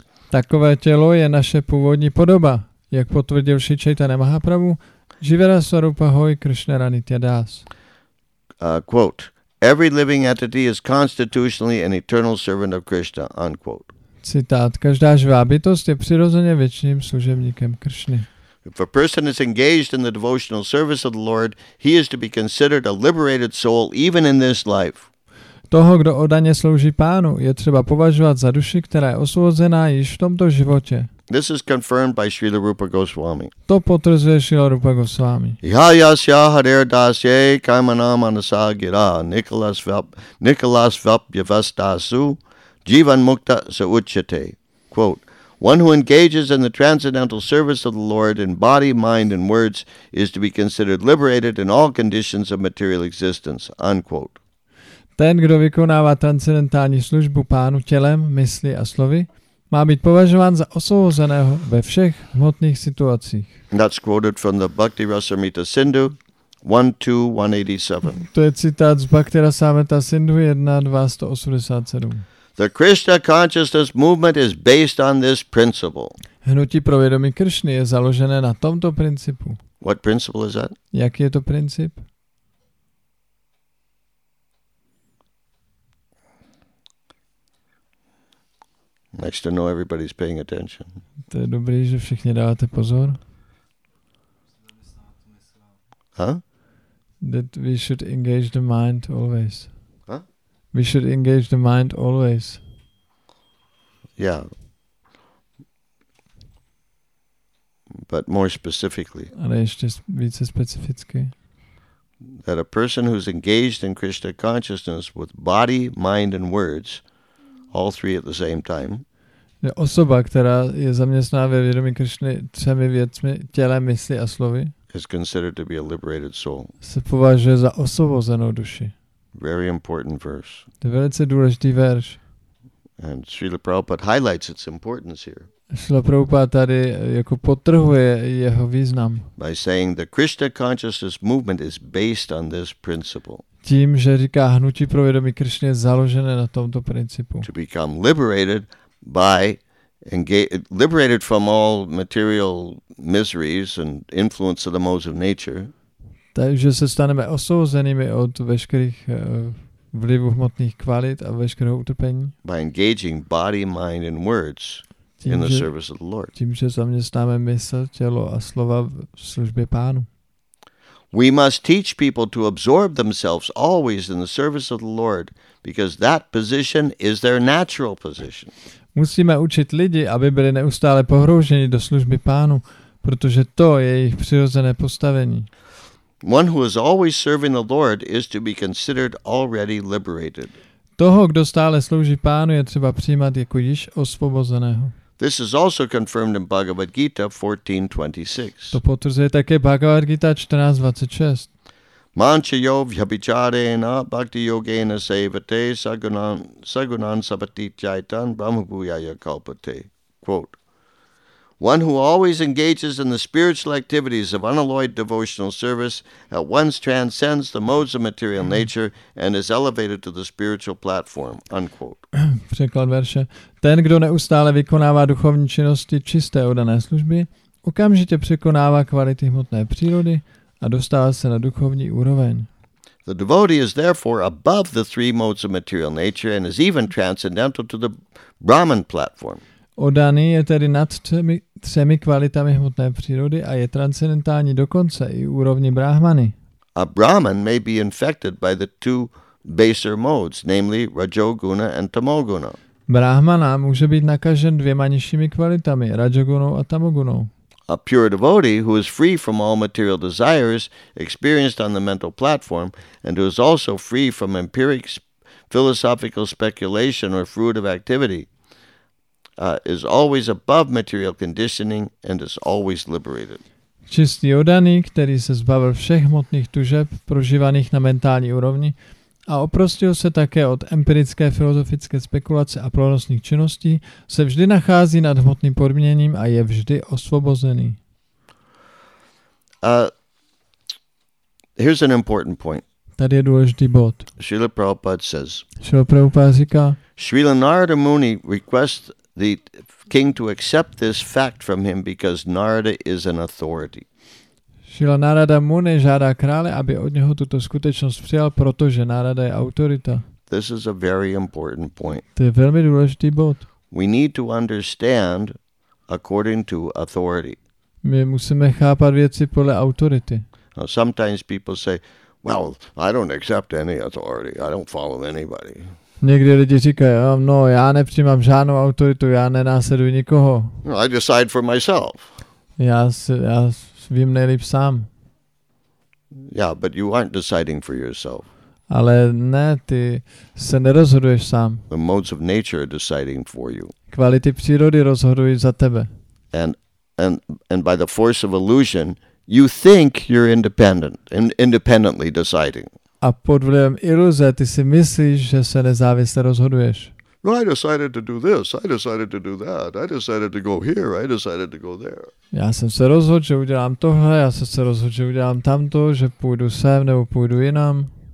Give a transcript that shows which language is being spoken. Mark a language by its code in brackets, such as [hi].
[cs] Takové tělo je naše původní podoba, jak potvrdil Sri Chaitanya Mahaprabhu, [bn] Jivera Swarupa Hoy Krishnara Nitya Das. [en] Quote, Every living entity is constitutionally an eternal servant of Krishna, unquote. [cs] Citát, každá živá bytost je přirozeně věčným služebníkem Kršny. [en] If a person is engaged in the devotional service of the Lord, he is to be considered a liberated soul even in this life. [cs] Toho, kdo oddaně slouží pánu, je třeba považovat za duši, která je osvobozená již v tomto životě. [en] This is confirmed by Srila Rupa Goswami. [cs] To potvrzuje Srila Rupa Goswami. [sa] Ya yasya hare dasye kamana manasa gira Nicholas Vap yavastasu jivan mukta sa uchate. [en] Quote, one who engages in the transcendental service of the Lord in body, mind and words is to be considered liberated in all conditions of material existence. Unquote. [cs] Ten, kdo vykonává transcendentální službu pánu tělem, mysli a slovy, má být považován za osvobozeného ve všech hmotných situacích. [en] That's quoted from the Bhakti Rasamrita Sindhu 1.2.187. [cs] To je citát z Bhakti Rasamrita Sindhu 1.2.187. [en] The Krishna consciousness movement is based on this principle. [cs] Hnutí pro vědomí Kršny je založené na tomto principu. [en] What principle is that? [cs] Jaký je to princip? [en] Nice to know everybody's paying attention. [cs] To je dobrý, že všichni dáváte pozor. Huh? [en] That we should engage the mind always. Huh? We should engage the mind always. Yeah. But more specifically. [cs] Ale ještě více specificky. [en] That a person who's engaged in Krishna consciousness with body, mind and words, all three at the same time, [cs] osoba, která je zaměstnána ve vědomí Kršny třemi věcmi, tělem, mysli a slovy, [en] is considered to be a liberated soul. [cs] Se považuje za osvobozenou duši. [en] Very important verse. [cs] To je velice důležitý verš. [en] And Srila Prabhupada highlights its importance here. [cs] Srila Prabhupada tady jako podtrhuje jeho význam. [en] By saying the Krishna consciousness movement is based on this principle. [cs] Tím, že říká hnutí pro vědomí Kršny je založené na tomto principu. [en] To become liberated by liberated from all material miseries and influence of the modes of nature. [cs] Takže se staneme osvobozenými od veškerých vlivů hmotných kvalit a veškerého utrpení. [en] By engaging body, mind and words in the service of the Lord. [cs] Tím, že zaměstnáme mysl, tělo a slova v službě pánu. [en] We must teach people to absorb themselves always in the service of the Lord because that position is their natural position. [cs] Musíme učit lidi, aby byli neustále pohrouženi do služby pánu, protože to je jejich přirozené postavení. [en] One who is always serving the Lord is to be considered already liberated. [cs] Toho, kdo stále slouží pánu, je třeba přijímat jako již osvobozeného. [en] This is also confirmed in Bhagavad Gita 14.26. [cs] To potvrzuje také Bhagavad Gita 14.26. [sa] Manchayo vyabhicharena bhakti yogena sevate sagunan sabati chaitan brahmabhuyaya kalpate. [en] Quote, one who always engages in the spiritual activities of unalloyed devotional service at once transcends the modes of material nature and is elevated to the spiritual platform. Unquote. [cs] Překlad verše. Ten, kdo neustále vykonává duchovní činnosti čisté oddané služby, okamžitě překonává kvality hmotné přírody a dostává se na duchovní úroveň. [en] The devotee is therefore above the three modes of material nature and is even transcendental to the Brahman platform. [cs] Oddaný je tedy nad třemi kvalitami hmotné přírody a je transcendentální dokonce i úrovni Brahmany. [en] A Brahman may be infected by the two baser modes, namely Rajoguna and Tamoguna. [cs] Brahmana může být nakažen dvěma nižšími kvalitami, Rajogunou a Tamogunou. [en] A pure devotee who is free from all material desires experienced on the mental platform and who is also free from empiric philosophical speculation or fruitive activity is always above material conditioning and is always liberated. [cs] Čistý oddaný, který se zbavil všech hmotných tužeb prožívaných na mentální úrovni a oprostil se také od empirické filozofické spekulace a plodnostních činností, se vždy nachází nad hmotným podměním a je vždy osvobozený. [en] Here's an important point. [cs] Tady je důležitý bod. [en] Srila Prabhupada says. [cs] Srila Prabhupada říká. [en] Srila Narada Muni requests the king to accept this fact from him because Narada is an authority. [cs] Šila Narada Muni žádá krále, aby od něho tuto skutečnost přijal, protože Narada je autorita. [en] This is a very important point. [cs] To je velmi důležitý bod. [en] We need to understand according to authority. [cs] My musíme chápat věci podle autority. [en] Now, sometimes people say, well, I don't accept any authority. I don't follow anybody. [cs] Někdy lidi říkají, no, já nepřijímám žádnou autoritu, já nenásleduji nikoho. [en] No, I decide for myself. [cs] Já vím nejlíp sám. [en] Yeah, but you aren't deciding for yourself. [cs] Ale ne, ty se nerozhoduješ sám. [en] The modes of nature are deciding for you. [cs] Kvality přírody rozhodují za tebe. [en] And by the force of illusion, you think you're independently deciding. [cs] A pod vlivem iluze ty si myslíš, že se nezávisle rozhoduješ. [en] No, I decided to do this, I decided to do that, I decided to go here, I decided to go there. [cs] Já jsem se rozhodl, že udělám tohle, já jsem se rozhodl, že udělám tamto, že půjdu sem nebo půjdu jinam.